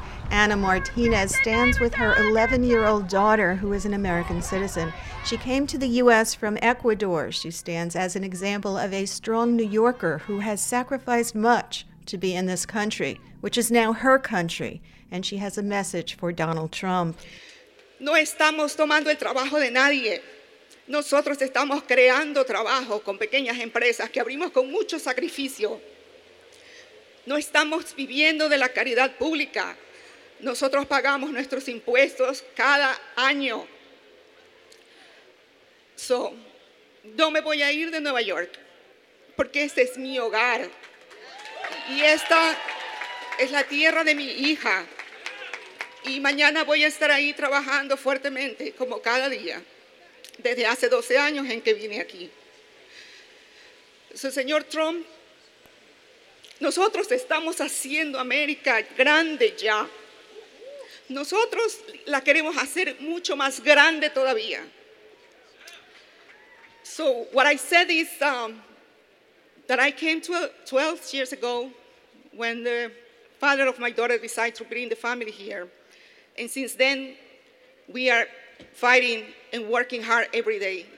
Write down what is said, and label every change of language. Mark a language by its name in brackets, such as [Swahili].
[English] Anna Martinez stands with her 11-year-old daughter, who is an American citizen. She came to the U.S. from Ecuador. She stands as an example of a strong New Yorker who has sacrificed much to be in this country, which is now her country. And she has a message for Donald Trump. [Spanish] No estamos tomando el trabajo de nadie. Nosotros estamos creando trabajo con pequeñas empresas que abrimos con mucho sacrificio. No estamos viviendo de la caridad pública. Nosotros pagamos nuestros impuestos cada año. So, no me voy a ir de Nueva York, porque este es mi hogar. Y esta es la tierra de mi hija. Y mañana voy a estar ahí trabajando fuertemente, como cada día, desde hace 12 años en que vine aquí. So, señor Trump, nosotros estamos haciendo América grande ya. Nosotros la queremos hacer mucho más grande todavía. [English] So what I said is that I came 12 years ago when the father of my daughter decided to bring the family here. And since then, we are fighting and working hard every day.